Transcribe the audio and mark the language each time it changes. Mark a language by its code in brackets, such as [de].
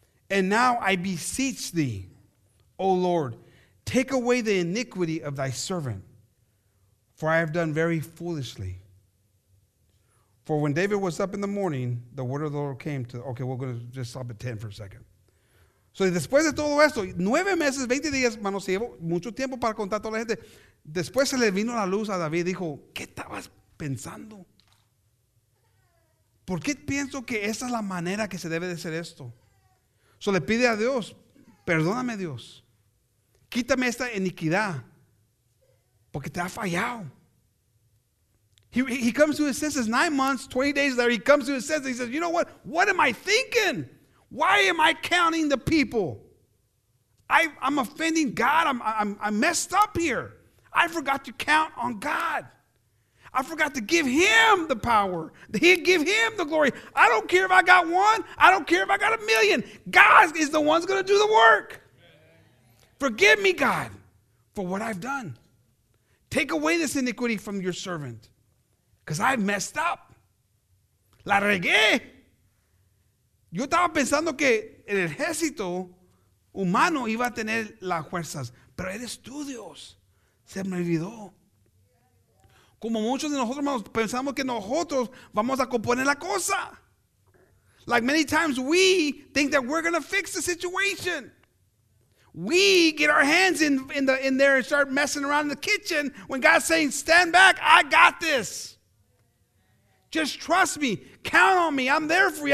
[en] And now I beseech thee, O Lord, take away the iniquity of thy servant, for I have done very foolishly. For when David was up in the morning, the word of the Lord came to... Okay, we're going to just stop at 10 for a second. [es] So después de todo esto, 9 meses, 20 días, mano, se llevó mucho tiempo para contar a toda la gente. Después se le vino la luz a David y dijo, ¿qué estabas pensando? ¿Por qué pienso que esa es la manera que se debe de hacer esto? So le pide a Dios, perdóname Dios, quítame esta iniquidad, porque te ha fallado. [en] He comes to his senses, 9 months, 20 days later, he comes to his senses, he says, you know what? What am I thinking? Why am I counting the people? I'm offending God. I'm messed up here. I forgot to count on God. I forgot to give him the power. He give him the glory. I don't care if I got one. I don't care if I got a million. God is the one's going to do the work. Forgive me, God, for what I've done. Take away this iniquity from your servant, because I've messed up. [es] La regué. Yo estaba pensando que el ejército humano iba a tener las fuerzas, pero eres tú, Dios. Se me olvidó. Como muchos de nosotros, hermanos, pensamos que nosotros vamos a componer la cosa. [en] Like many times we think that we're going to fix the situation. We get our hands in there and start messing around in the kitchen when God's saying, stand back, I got this. Just trust me. Count on me. I'm there for you.